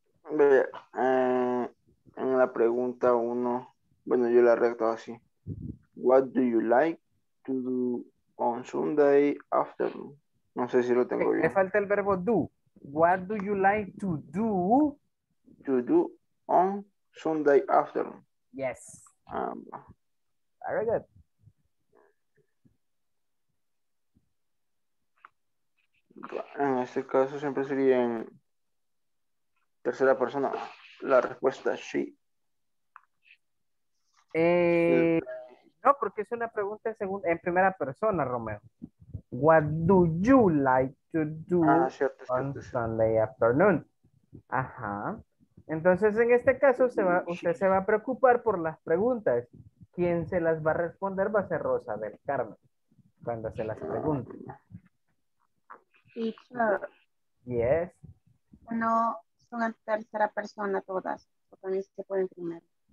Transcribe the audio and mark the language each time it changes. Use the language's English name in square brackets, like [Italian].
[Spanish] En la pregunta uno, bueno, yo la recto así. [English] What do you like to do on Sunday afternoon? [Spanish] No sé si lo tengo bien. Me falta el verbo do. [English] What do you like to do? To do on Sunday afternoon. Yes. Very good. [Spanish] En este caso siempre sería en tercera persona. La respuesta sí. No, porque es una pregunta en primera persona, Romeo. [English] What do you like to do Sunday afternoon? [Spanish] Ajá. Entonces, en este caso, usted se va a preocupar por las preguntas. ¿Quién se las va a responder? Va a ser Rosa del Carmen, cuando se las pregunte. [English] Teacher. Yes. [Spanish] No, son en tercera persona todas. O también se pueden primero.